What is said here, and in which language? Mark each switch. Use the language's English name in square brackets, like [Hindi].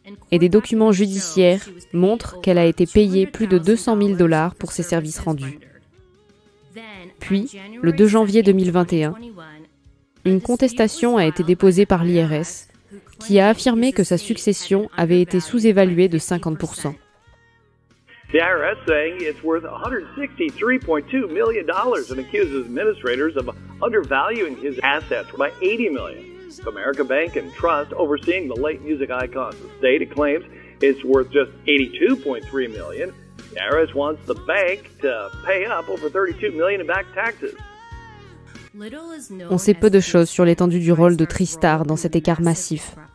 [French] Et des documents judiciaires montrent qu'elle a été payée plus de $200,000 pour ses services rendus. Puis, le 2 janvier 2021, une contestation a été déposée par l'IRS, qui a affirmé que sa succession avait été sous-évaluée de 50%. [English] The IRS saying it's worth $163.2 million and accuses administrators of undervaluing his assets by $80 million. Comerica Bank and Trust, overseeing the late music icon's estate, claims it's worth just $82.3 million. The IRS wants the bank to pay up over $32 million in back taxes. [French] On sait peu de choses sur l'étendue du rôle de Tristar dans cet écart massif.